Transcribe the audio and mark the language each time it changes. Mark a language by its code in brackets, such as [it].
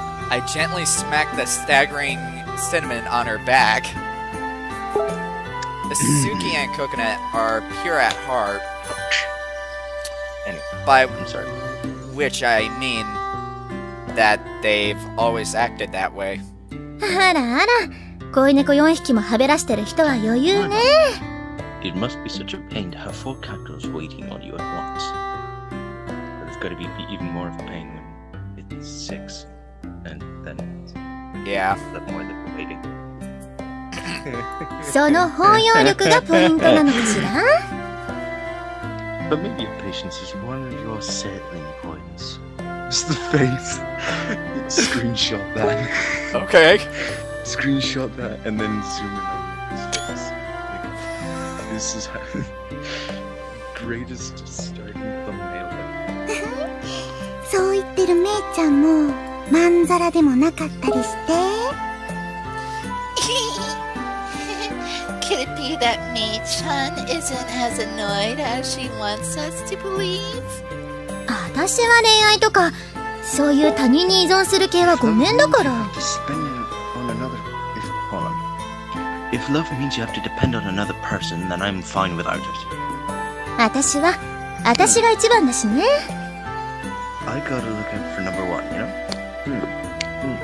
[en] I gently smack the staggering Cinnamon on her back. The Suki and Coconut are pure at heart. And by which I mean that they've always acted that way. [ja] あらあら、子猫四匹もはべらしてる人は余裕ね。 [en] It must be such a pain to have four cat girls waiting on you at once. But it's gotta be even more of a pain when it's six, and then yeah, the more they're waiting. [ja] その包容力がポイントなのかしら。 [en] But maybe your patience is one of your settling points. It's the face. Screenshot that. Okay. Screenshot that and then zoom in on his face. Like, this is the greatest starting thumbnail ever. So, it's a [ja] Mei-chan, mo, manzara de mo nakatta ri shite. [en] Could it be that Mei-chan isn't as annoyed as she wants us to believe? [ja] Atashi wa reinai toka. そういう他人に依存する系はごめんだから。 [en] If love means you have to depend on another person, then I'm fine without it. [ja] 私は、私が一番だしね。 [en] I gotta look out for number one, you know?